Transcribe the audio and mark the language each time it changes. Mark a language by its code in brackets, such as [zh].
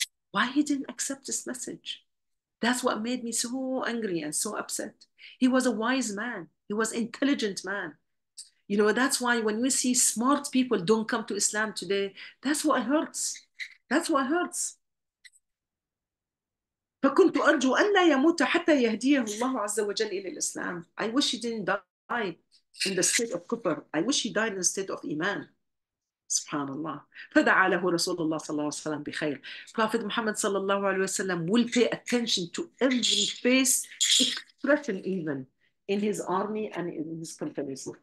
[en] Why he didn't accept this message? That's what made me so angry and so upset. He was a wise man. He was an intelligent man. You know, that's why when we see smart people don't come to Islam today, that's what hurts. That's what hurts. [ar] فَكُنْتُ أَرْجُوا أَنَّا يَمُوتَ حَتَّى يَهْدِيَهُ اللَّهُ عَزَّ وَجَلْ إِلَى الْإِسْلَامِ. [en] I wish he didn't die in the state of kufr. I wish he died in the state of iman. [ar] Subhanallah. فَدَعَى لَهُ رَسُولُ اللَّهِ صَلَّى اللَّهُ عَلَيْهِ وَسَلَّمَ بِخَيْرٍ. [en] Prophet Muhammad sallallahu alayhi wa sallam will pay attention to every face expression even in his army and in his company.